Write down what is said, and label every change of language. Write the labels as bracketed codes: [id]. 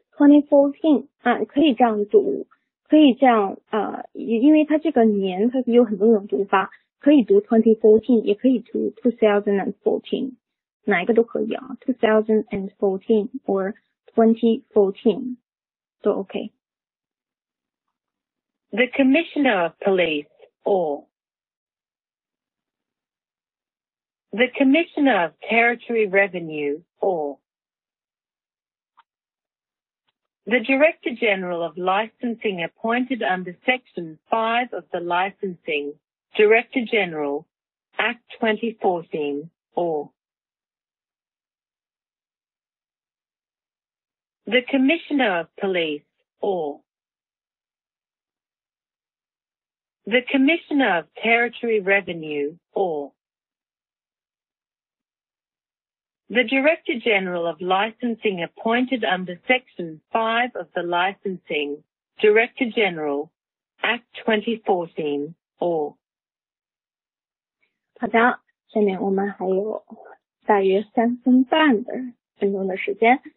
[zh] 2014, 可以这样读，可以这样，因为它这个年它有很多种读法，可以读 2014, 也可以读 2014, 哪一个都可以啊， 2014 or 2014 都 OK。 [en] The Commissioner of Police or The Commissioner of Territory Revenue or The Director General of Licensing appointed under Section 5 of the Licensing Director General Act 2014 or The Commissioner of Police or The Commissioner of Territory Revenue or The Director General of Licensing appointed under Section 5 of the Licensing Director General Act 2014 or [zh] 好的，下面我们还有大约三分半的分钟的时间。